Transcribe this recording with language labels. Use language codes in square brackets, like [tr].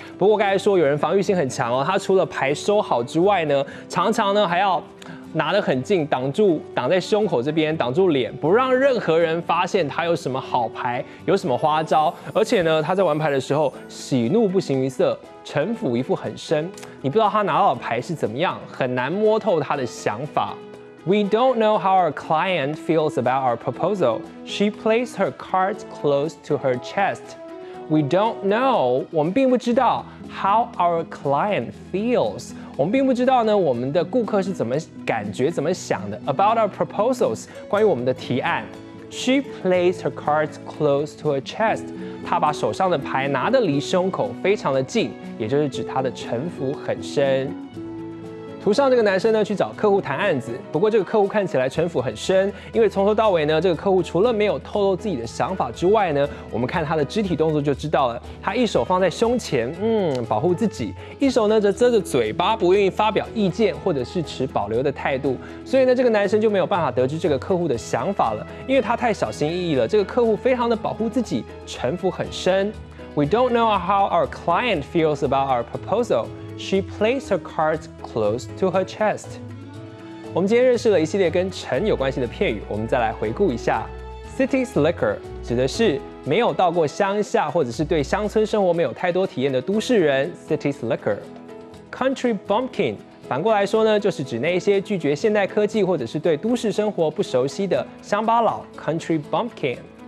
[zh] 不过刚才说有人防御性很强哦，他除了牌收好之外呢，常常呢还要拿得很近，挡在胸口这边，挡住脸，不让任何人发现他有什么好牌，有什么花招。而且呢他在玩牌的时候喜怒不形于色，城府一副很深，你不知道他拿到的牌是怎么样，很难摸透他的想法。 [en] We don't know how our client feels about our proposal. She plays her cards close to her chest. We don't know, [zh] 我们并不知道 [en] how our client feels, [zh] 我们并不知道呢我们的顾客是怎么感觉怎么想的， [en] About our proposals, [zh] 关于我们的提案。 [en] She plays her cards close to her chest, [zh] 她把手上的牌拿得离胸口非常的近，也就是指她的城府很深。图上这个男生呢去找客户谈案子，不过这个客户看起来城府很深，因为从头到尾呢这个客户除了没有透露自己的想法之外呢，我们看他的肢体动作就知道了，他一手放在胸前，保护自己，一手呢则遮着嘴巴不愿意发表意见或者是持保留的态度。所以呢这个男生就没有办法得知这个客户的想法了，因为他太小心翼翼了，这个客户非常的保护自己，城府很深。 [en] We don't know how our client feels about our proposalShe plays her cards close to her chest. [zh] 我们今天认识了一系列跟城有关系的片语，我们再来回顾一下。 City Slicker 指的是没有到过乡下或者是对乡村生活没有太多体验的都市人， City Slicker. Country Bumpkin 反过来说呢，就是指那些拒绝现代科技或者是对都市生活不熟悉的乡巴佬， Country Bumpkin.